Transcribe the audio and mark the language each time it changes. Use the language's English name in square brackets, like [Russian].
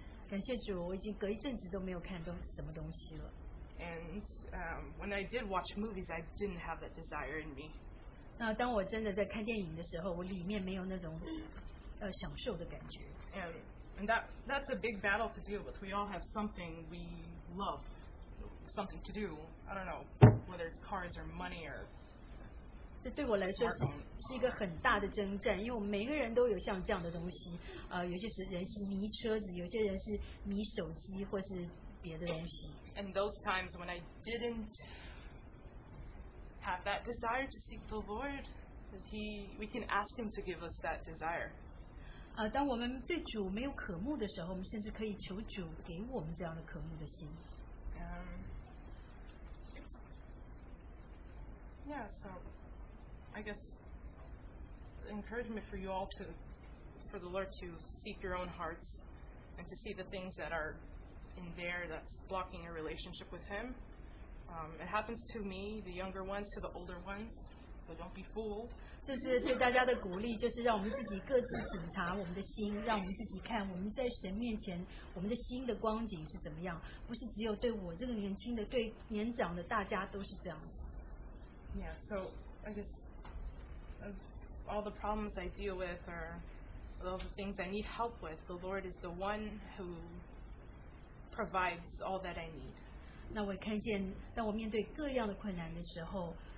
[Chinese] 感谢主，我已经隔一阵子都没有看什么东西了。 [English] And when I did watch movies, I didn't have that desire in me. [Chinese] 那当我真的在看电影的时候，我里面没有那种享受的感觉。 [English] And that's a big battle to deal with. We all have something we love, something to do. I don't know whether it's cars or money or. [Chinese] 这对我来说是一个很大的征战，因为我们每个人都有像这样的东西。有些人是迷车子，有些人是迷手机，或是。 [English] And those times when I didn't have that desire to seek the Lord, we can ask Him to give us that desire. [Chinese] 当我们对主没有渴慕的时候，我们甚至可以求主给我们这样的渴慕的心。 [English] So I guess encouragement for you all to, for the Lord to seek your own hearts and to see the things that are in there that's blocking your relationship with Him. It happens to me, the younger ones, to the older ones, so don't be fooled. [Chinese] 这是对大家的鼓励，就是让我们自己各自审查我们的心，让我们自己看我们在神面前我们的心的光景是怎么样，不是只有对我这个年轻的，对年长的大家都是这样。 [English] Yeah, so I guess all the problems I deal with or all the things I need help with, the Lord is the one who provides all that I need. [Chinese] 那我看见，当我面对各样的困难的时候。